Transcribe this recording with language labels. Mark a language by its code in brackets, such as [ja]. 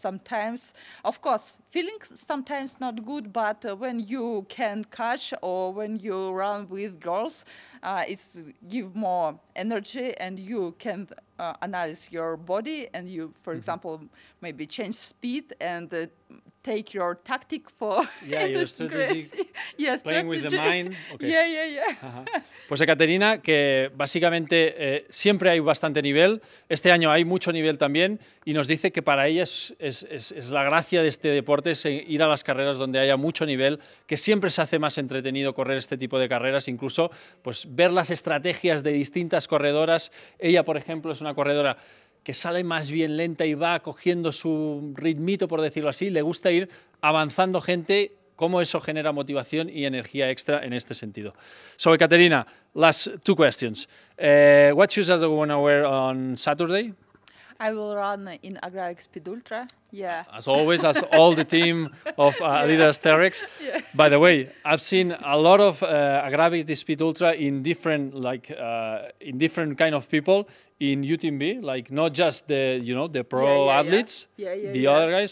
[en] sometimes, of course, feelings sometimes not good, but when you can catch or when you run with girls, it's give more energy, and you can. Analyze your body, and you, for mm-hmm. example, maybe change speed and take your tactic for your strategy. Yes, playing With the mind. Okay. Yeah. Uh-huh. [es] Pues Ekaterina, que básicamente siempre hay bastante nivel. Este año hay mucho nivel también, y nos dice que para ella es la gracia de este deporte, es ir a las carreras donde haya mucho nivel, que siempre se hace más entretenido correr este tipo de carreras, incluso pues ver las estrategias de distintas corredoras. Ella, por ejemplo, es una corredora que sale más bien lenta y va cogiendo su ritmito, por decirlo así. Le gusta ir avanzando gente, cómo eso genera motivación y energía extra en este sentido. [en] So, Ekaterina, last two questions. What shoes are you going to wear on Saturday? I will run in Agravic Speed Ultra, yeah. As always, as all the team of Adidas Terex. Yeah. By the way, I've seen a lot of Agravic Speed Ultra in different, like, in different kind of people in UTMB, like not just the, you know, the pro athletes, other guys.